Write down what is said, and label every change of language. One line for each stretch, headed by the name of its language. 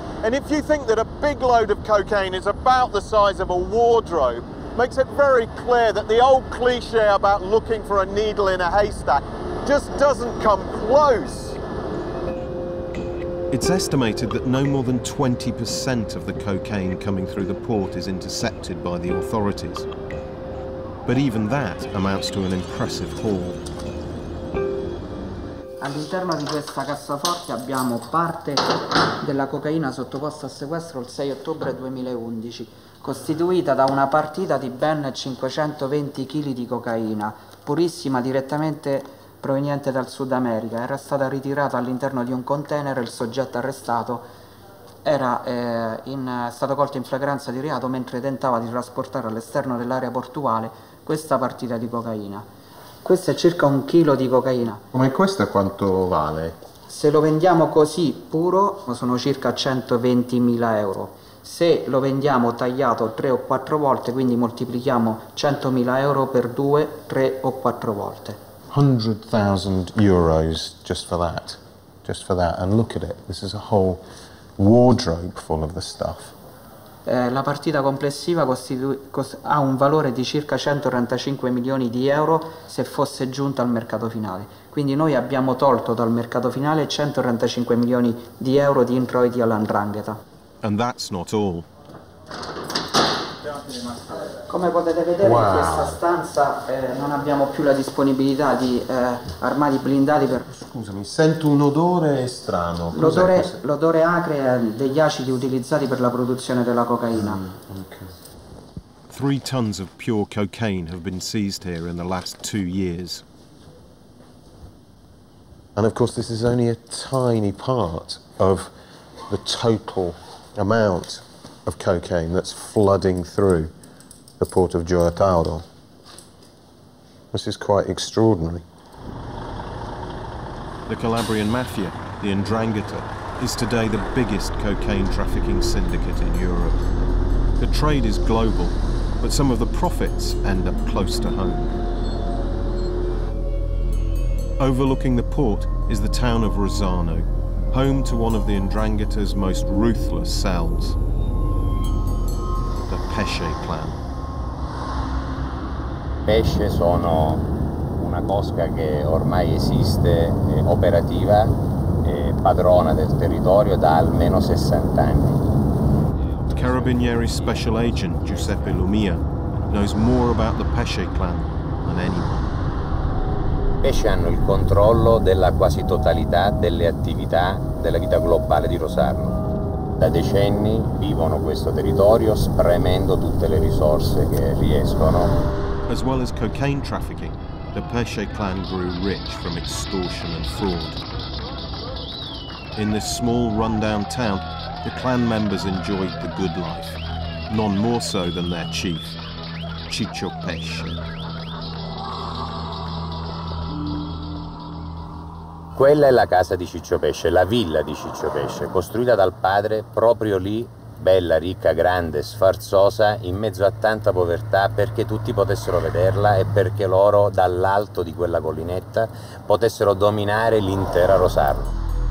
English: And if you think that a big load of cocaine is about the size of a wardrobe, makes it very clear that the old cliche about looking for a needle in a haystack just doesn't come close. It's estimated that no more than 20% of the cocaine coming through the port is intercepted by the authorities. But even that amounts to an impressive haul.
Italian: All'interno di questa cassaforte abbiamo parte della cocaina sottoposta a sequestro il 6 ottobre 2011, costituita da una partita di ben 520 kg di cocaina, purissima, direttamente proveniente dal Sud America. Era stata ritirata all'interno di un container e il soggetto arrestato era stato colto in flagranza di reato mentre tentava di trasportare all'esterno dell'area portuale questa partita di cocaina. Questo è circa un chilo di cocaina. Come questo quanto vale? Se lo vendiamo così, puro, sono circa 120.000 euro. Se lo vendiamo tagliato 3 o 4 volte, quindi moltiplichiamo 100.000 euro per 2, 3 o 4 volte.
English: 100.000 euros just for that. Just for that. And look at it. This is a whole wardrobe full of the stuff.
Italian: La partita complessiva ha un valore di circa 135 milioni di euro se fosse giunta al mercato finale. Quindi noi abbiamo tolto dal mercato finale 135 milioni di euro di introiti alla 'Ndrangheta.
English: And that's not all.
Italian: Come potete vedere, wow, in questa stanza non abbiamo più la disponibilità di armadi blindati per... Scusami, sento un odore strano. L'odore acre degli acidi utilizzati per la produzione della cocaina. Okay.
English: 3 tons of pure cocaine have been seized here in the last 2 years. And of course this is only a tiny part of the total amount of cocaine that's flooding through the port of Gioia Tauro. This is quite extraordinary. The Calabrian Mafia, the 'Ndrangheta, is today the biggest cocaine trafficking syndicate in Europe. The trade is global, but some of the profits end up close to home. Overlooking the port is the town of Rosano, home to one of the 'Ndrangheta's most ruthless cells, the Pesce clan.
Italian: Pesce sono una cosca che ormai esiste, operativa, padrona del territorio da almeno 60 anni.
English: Carabinieri special agent Giuseppe Lumia knows more about the Pesce clan than anyone.
Italian: pesci hanno il controllo della quasi totalità delle attività della vita globale di Rosarno. Da decenni vivono questo territorio spremendo tutte le risorse che riescono.
English: As well as cocaine trafficking, the Pesce clan grew rich from extortion and fraud. In this small rundown town, the clan members enjoyed the good life, none more so than their chief, Chicho Pesce.
Italian: Quella è la casa di Ciccio Pesce, la villa di Ciccio Pesce, costruita dal padre proprio lì, bella, ricca, grande, sfarzosa, in mezzo a tanta povertà, perché tutti potessero vederla e perché loro, dall'alto di quella collinetta, potessero dominare l'intera Rosarno.